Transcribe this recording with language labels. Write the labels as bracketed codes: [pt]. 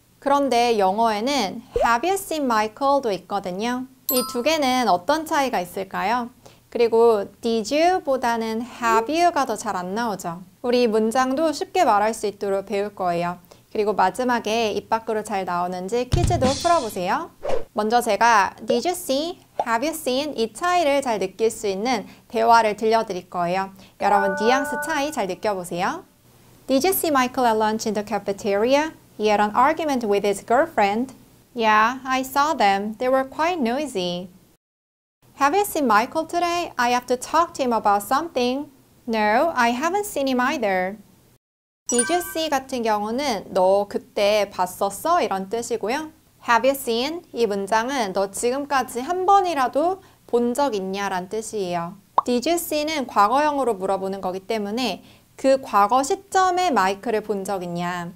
[ko] 그런데 영어에는 [en] Have you seen Michael? [ko] 도 있거든요. 이 두 개는 어떤 차이가 있을까요? 그리고 [en] Did you? [ko] 보다는 [en] Have you? [ko] 가 더 잘 안 나오죠. 우리 문장도 쉽게 말할 수 있도록 배울 거예요. 그리고 마지막에 입 밖으로 잘 나오는지 퀴즈도 풀어보세요. 먼저 제가 [en] Did you see? Have you seen? [ko] 이 차이를 잘 느낄 수 있는 대화를 들려드릴 거예요. 여러분 뉘앙스 차이 잘 느껴보세요. [en] Did you see Michael at lunch in the cafeteria? He had an argument with his girlfriend. Yeah, I saw them. They were quite noisy. Have you seen Michael today? I have to talk to him about something. No, I haven't seen him either. Did you see [ko] 같은 경우는 너 그때 봤었어? 이런 뜻이고요. [en] Have you seen? [ko] 이 문장은 너 지금까지 한 번이라도 본 적 있냐? 라는 뜻이에요. [en] Did you see [ko] 는 과거형으로 물어보는 거기 때문에 그 과거 시점에 마이클을 본 적 있냐?